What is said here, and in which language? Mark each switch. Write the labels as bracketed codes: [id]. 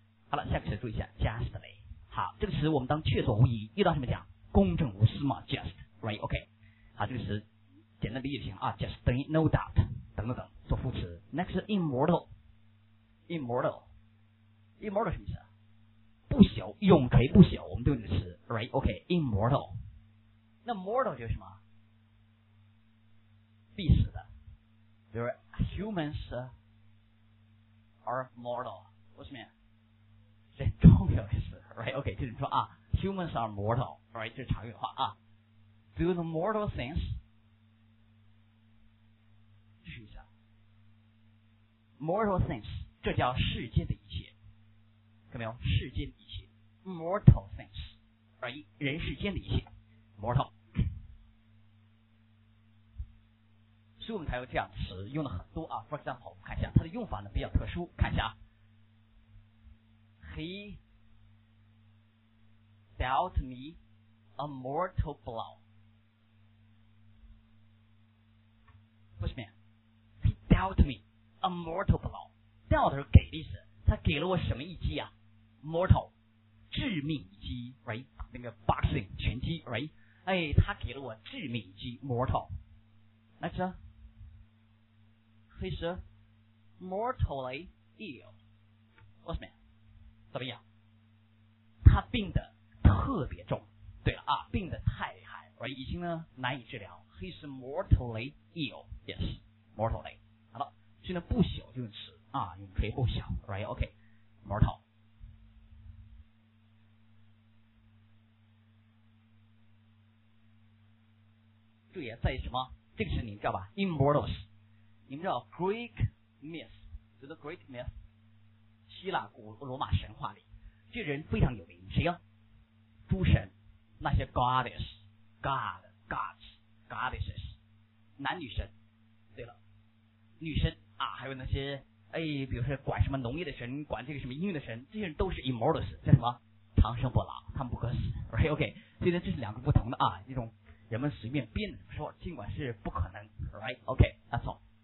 [zh] 好了，下个词注意一下， justly。好，这个词我们当确凿无疑，遇到什么讲公正无私嘛， just， right？ OK， 好，这个词简单理解行啊， just 等于 no doubt 等做副词。 next， immortal 什么意思？不朽，永垂不朽，我们都用这个词， right？ OK， immortal， 那 mortal 就是什么？必死的，就是 [en] humans are mortal， what's mean？ [zh] 这重要的词， right？ OK， 就是说啊， [en] humans are mortal， [zh] right？ 这是常用的话啊。 [en] Do the mortal things， [zh] 这是什么 mortal things， 这叫世间的一切，看到没有，世间的一切 mortal things， right？人世间的一切 mortal， 所以我们才有这样的词用了很多啊。 [en] for example， [zh] 看一下它的用法呢比较特殊，看一下 [en] he dealt me a mortal blow， [zh] 不是吗？ [en] he dealt me a mortal blow， [zh] dealt 是给的意思，他给了我什么一击啊？ mortal 致命一击， right？ 那个 boxing 拳击， right？哎，他给了我致命一击， mortal。 [en] next he saidmortally ill， what's mean？ [zh] 怎么样？他病得特别重，对了啊，病得太厉害，而已经呢难以治疗。 [en] He's mortally ill， yes， mortally。 [zh] 好了，现在不朽就是啊，永垂不朽， right？ [en] OK， mortal。 [zh] 注意在于什么？这个是你知道吧 ？Immortals， 你们知道 Greek myth。 [en] The Greek myth， [zh] 希希腊古罗马神话里，这人非常有名，谁呀？诸神，那些 goddess god gods goddesses 男女神。对了，女神啊，还有那些哎，比如说管什么农业的神，管这个什么音乐的神，这些人都是 immortals， 叫什么长生不老，他们不可死。 OK， 所以这是两个不同的啊，一种人们随便编的说，尽管是不可能。OK， [en] that's all。